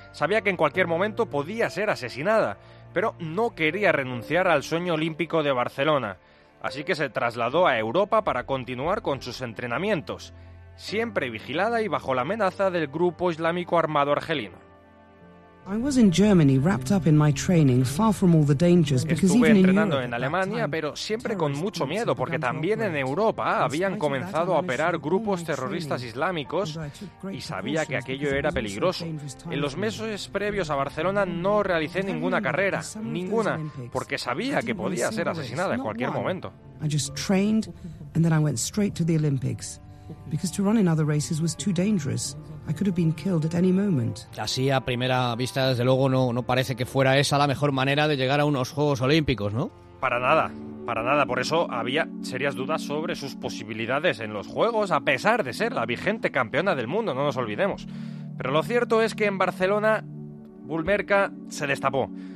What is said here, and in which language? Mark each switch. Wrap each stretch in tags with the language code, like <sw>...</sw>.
<es>Sabía que en cualquier momento podía ser asesinada, pero no quería renunciar al sueño olímpico de Barcelona. Así que se trasladó a Europa para continuar con sus entrenamientos, siempre vigilada y bajo la amenaza del grupo islámico armado argelino.</es> <en>I was in Germany, wrapped up in my training, far from all the dangers, because</en> <es>estuve entrenando en Alemania, pero siempre con mucho miedo, porque también en Europa habían comenzado a operar grupos terroristas islámicos y sabía que aquello era peligroso. En los meses previos a Barcelona no realicé ninguna carrera, ninguna, porque sabía que podía ser asesinada en cualquier momento.</es> <en>I just trained and then I went straight to the Olympics because to run in other races was too dangerous. I could have been killed at any moment.</en> <es>Así a primera vista, desde luego, no parece que fuera esa la mejor manera de llegar a unos Juegos Olímpicos, ¿no? Para nada, por eso había serias dudas sobre sus posibilidades en los Juegos, a pesar de ser la vigente campeona del mundo, no nos olvidemos. Pero lo cierto es que en Barcelona, Bulmerka se destapó.</es>